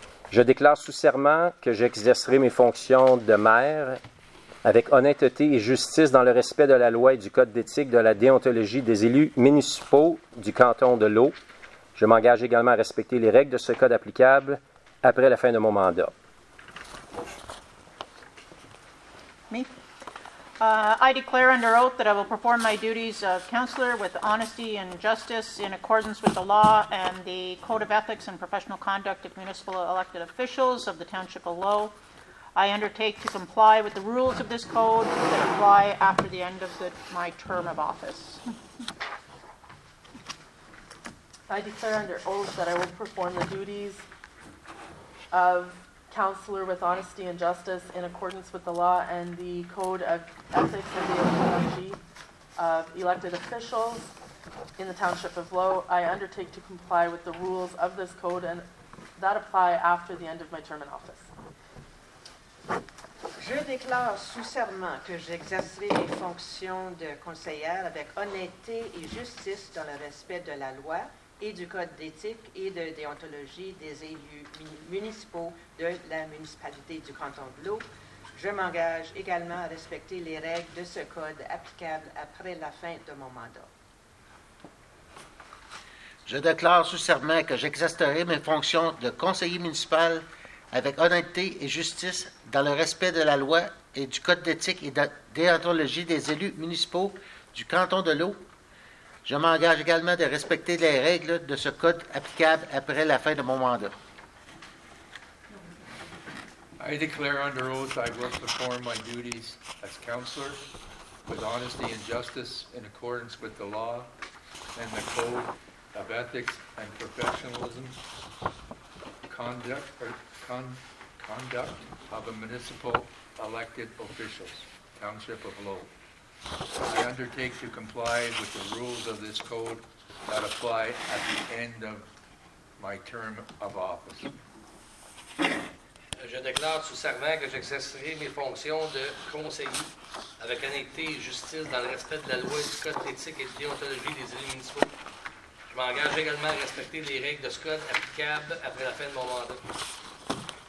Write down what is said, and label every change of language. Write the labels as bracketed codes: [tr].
[fr] Je déclare sous serment que j'exercerai mes fonctions de maire avec honnêteté et justice dans le respect de la loi et du code d'éthique de la déontologie des élus municipaux du canton de l'Eau. Je m'engage également à respecter les règles de ce code applicable après la fin de mon mandat. Me. [en] I declare under oath that I will perform my duties of counselor with honesty and justice in accordance with the law and the code of ethics and professional conduct of municipal elected officials of the township of Lowe. I undertake to comply with the rules of this code that apply after the end of my term of office. I declare under oath that I will perform the duties of counselor with honesty and justice in accordance with the law and the code of ethics and deontology of elected officials in the township of Lowe. I undertake to comply with the rules of this code and that apply after the end of my term in office. [fr] Je déclare sous serment que j'exercerai mes fonctions de conseillère avec honnêteté et justice dans le respect de la loi et du code d'éthique et de déontologie des élus municipaux de la municipalité du canton de l'Eau. Je m'engage également à respecter les règles de ce code applicables après la fin de mon mandat. Je déclare sous serment que j'exercerai mes fonctions de conseiller municipal avec honnêteté et justice dans le respect de la loi et du code d'éthique et de déontologie des élus municipaux du canton de l'Eau. Je m'engage également de respecter les règles de ce code applicable après la fin de mon mandat. [en] I declare under oath I will perform my duties as counselor with honesty and justice in accordance with the law and the code of ethics and professionalism conduct of a municipal elected officials, Township of Lowe. I undertake to comply with the rules of this code that apply at the end of my term of office. [fr] Je déclare sous serment que j'exercerai mes fonctions de conseiller avec honnêteté et justice dans le respect de la loi du code d'éthique et de déontologie des élus municipaux. Je m'engage également à respecter les règles de ce code applicables après la fin de mon mandat.